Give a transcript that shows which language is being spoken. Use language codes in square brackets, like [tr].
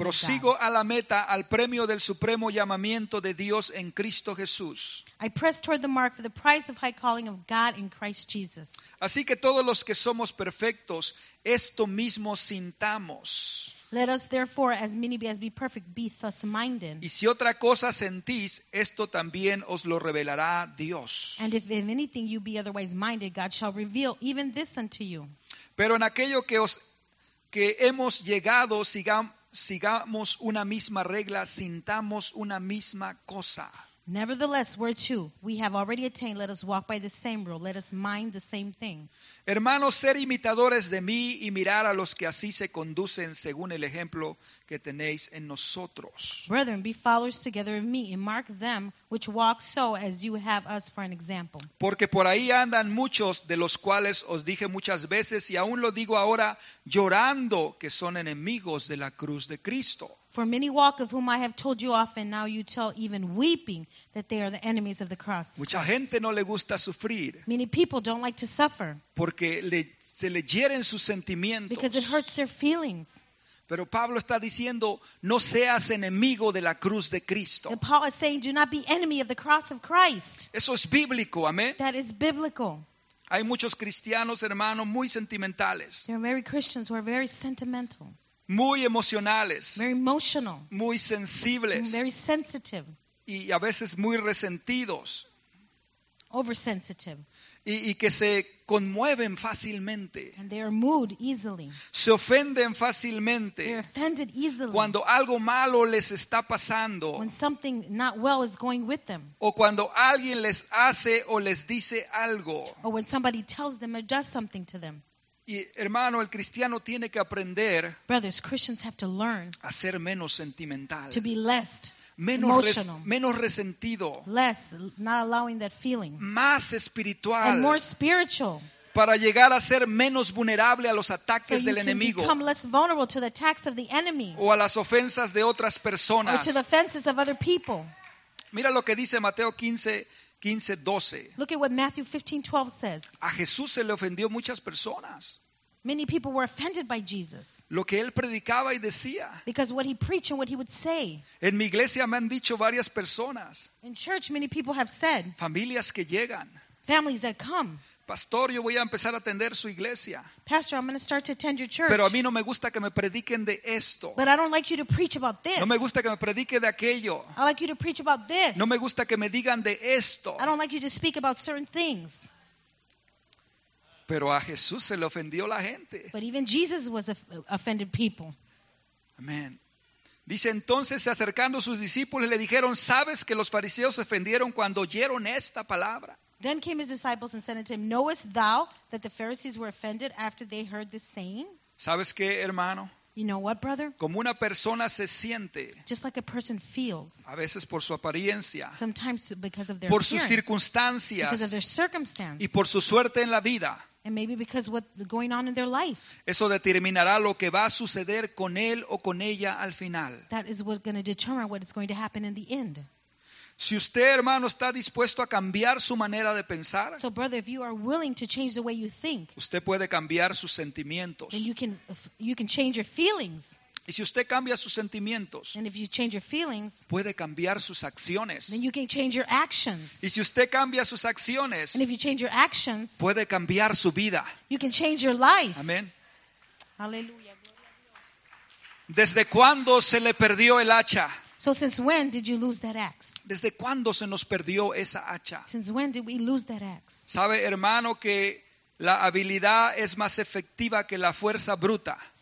[es] Prosigo a la meta, al premio del supremo llamamiento de Dios en Cristo Jesús. [en] I press toward the mark for the prize of high calling of God in Christ Jesus. [es] Así que todos los que somos perfectos, esto mismo sintamos. [en] Let us therefore, as many be as be perfect, be thus minded. [es] Y si otra cosa sentís, esto también os lo revelará Dios. [en] And if anything you be otherwise minded, God shall reveal even this unto you. [es] Pero en aquello que hemos llegado, sigamos una misma regla, sintamos una misma cosa. [en] Nevertheless, whereto we have already attained, let us walk by the same rule, let us mind the same thing. [es] Hermanos, ser imitadores de mí y mirar a los que así se conducen según el ejemplo que tenéis en nosotros. [en] Brethren, be followers together of me and mark them which walk so as you have us for an example. [es] Porque por ahí andan muchos de los cuales os dije muchas veces y aún lo digo ahora llorando que son enemigos de la cruz de Cristo. [en] For many walk of whom I have told you often, now you tell even weeping that they are the enemies of the cross. [es] Mucha gente no le gusta sufrir. [en] Many people don't like to suffer. [es] Porque se le hieren sus sentimientos. [en] Because it hurts their feelings. [es] Pero Pablo está diciendo, no seas enemigo de la cruz de Cristo. [en] And Paul is saying, do not be enemy of the cross of Christ. [es] Eso es bíblico, amén. [en] That is biblical. [es] Hay muchos cristianos, hermanos, muy sentimentales. [en] There are many Christians who are very sentimental. [es] Muy emocionales. [en] Very emotional. [es] Muy sensibles. [en] Very sensitive. [es] Y a veces muy resentidos. [en] Oversensitive. [es] Y que se conmueven fácilmente. [en] And they are moved easily. [es] Se ofenden fácilmente. [en] They are offended easily. [es] Cuando algo malo les está pasando. [en] When something not well is going with them. [es] O cuando alguien les hace o les dice algo. [en] Or when somebody tells them or does something to them. [es] Y hermano, el cristiano tiene que aprender. [en] Brothers, Christians have to learn. [es] A ser menos sentimental. [en] To be less [es] menos resentido. [en] Less, not allowing that feeling. [es] Más espiritual. [en] And more spiritual. [es] Para llegar a ser menos vulnerable a los ataques del enemigo. [en] Become less vulnerable to the attacks of the enemy. [es] O a las ofensas de otras personas. [en] Or to the offenses of other people. [es] Mira lo que dice Mateo 15:12. [en] Look at what Matthew 15:12 says. [es] A Jesús se le ofendió muchas personas. [en] Many people were offended by Jesus. [es] Lo que él predicaba y decía. [en] Because what he preached and what he would say. [es] En mi iglesia me han dicho varias personas. [en] In church, many people have said. [es] Familias que llegan. [en] Families that come. [es] Pastor, yo voy a empezar a atender su iglesia. [en] Pastor, I'm going to start to attend your church. [es] Pero a mí no me gusta que me prediquen de esto. [en] But I don't like you to preach about this. [es] No me gusta que me predique de aquello. [en] I like you to preach about this. [es] No me gusta que me digan de esto. [en] I don't like you to speak about certain things. [es] Pero a Jesús se le ofendió la gente. [en] But even Jesus was offended people. [es] Amén. Dice entonces, se acercando sus discípulos, le dijeron, ¿sabes que los fariseos se ofendieron cuando oyeron esta palabra? [en] Then came his disciples and said unto him, knowest thou that the Pharisees were offended after they heard this saying? [es] ¿Sabes qué, hermano? [en] You know what, brother? [es] Como una persona se siente. [en] Just like a person feels. [es] A veces por su apariencia. [en] Sometimes because of their appearance. [es] Por sus circunstancias. [en] Because of their circumstance. [es] Y por su suerte en la vida. [en] And maybe because what's going on in their life. [es] Eso determinará lo que va a suceder con él o con ella al final. [en] That is what's going to determine what is going to happen in the end. [es] Si usted, hermano, está dispuesto a cambiar su manera de pensar, [en] so brother, if you are willing to change the way you think, [es] usted puede cambiar sus sentimientos. [en] Then you can change your feelings. [es] Y si usted cambia sus sentimientos, [en] and if you change your feelings, [es] puede cambiar sus acciones. [en] Then you can change your actions. [es] Y si usted cambia sus acciones, [en] and if you change your actions, [es] puede cambiar su vida. [en] You can change your life. [es] Amén. Aleluya. ¿Desde cuándo se le perdió el hacha? [en] So since when did you lose that axe? [es] ¿Desde cuándo se nos perdió esa hacha? [en] Since when did we lose that axe? [es] ¿Sabe, hermano, que la habilidad es más efectiva que la fuerza bruta?